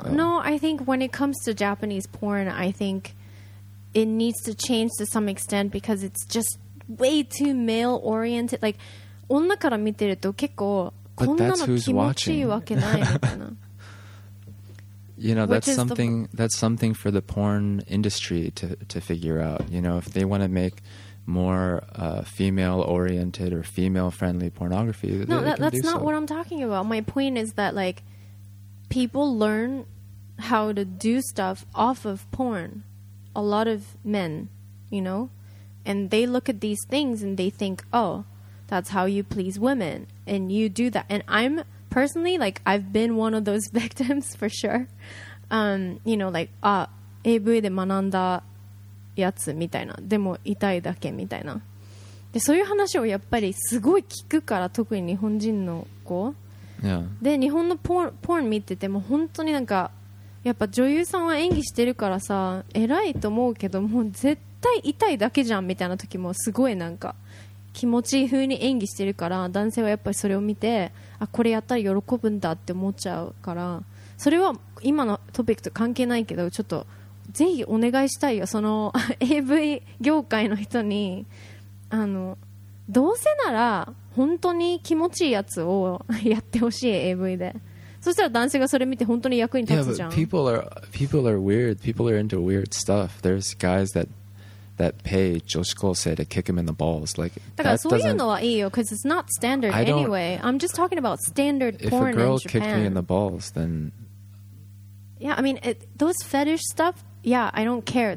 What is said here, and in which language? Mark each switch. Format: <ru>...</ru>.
<en>No, I think when it comes to Japanese porn, I think it needs to change to some extent because it's just. Way too male oriented. Like,</en> <ja>女から見てると結構こんなの気持ちいいわけないみたいな。</ja> <en>You know, that's something for the porn industry to figure out. You know, if they want to make more female oriented or female friendly pornography, they can do so. No, that's not what I'm talking about. My point is that like people learn how to do stuff off of porn. A lot of men, you know. And they look at these things and they think, oh, that's how you please women. And you do that. And I'm personally, like, I've been one of those victims for sure. You know, like,</en> <ja>AV で学んだやつみたいな。でも痛いだけみたいな。で、そういう話をやっぱりすごい聞くから、特に日本人の子。</ja> <en>Yeah.</en> <ja>で、日本のポーン見てても本当になんか、やっぱ女優さんは演技してるからさ、偉いと思うけど、もう絶対。痛いだけじゃんみたいな時もすごいなんか気持ちいい風に演技してるから男性はやっぱりそれを見てあこれやったら喜ぶんだって思っちゃうからそれは今のトピックと関係ないけどちょっとぜひお願いしたいよそのAV 業界の人にあのどうせなら本当に気持ちいいやつをやってほしい AV でそしたら男性がそれ見て本当に役に立つじゃん</ja> <en>yeah, people are weird people are into weird stuff there's guys that pay</en> <ja>女子高生</ja> <en>to kick him in the balls. Like,</en> <ja>だからそういうのはいいよ</ja> <en>because it's not standard anyway. I'm just talking about standard porn in Japan. If a girl kicked me in the balls, then... Yeah, I mean, those fetish stuff, yeah, I don't care.</en>